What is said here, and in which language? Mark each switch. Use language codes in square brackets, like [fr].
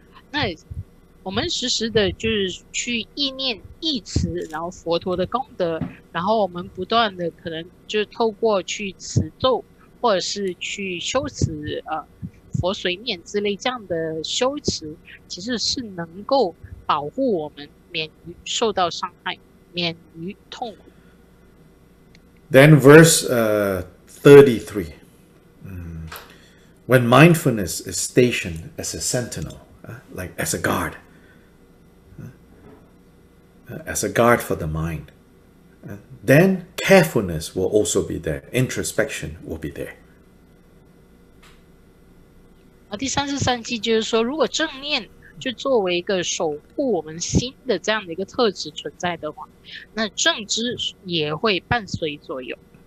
[zh] 那我们时时的就是去意念意持然后佛陀的功德，然后我们不断的可能就透过去持咒或者是去修持佛随念之类这样的修持，其实是能够保护我们免于受到伤害，免于痛苦。 [en] Then verse 33, when mindfulness is stationed as a sentinel, like as a guard, as a guard for the mind, then carefulness will also be there, introspection will be there. [zh] 第三十三句就是说，如果正念就作为一个守护我们心的这样的一个特质存在的话，那正知也会伴随作用。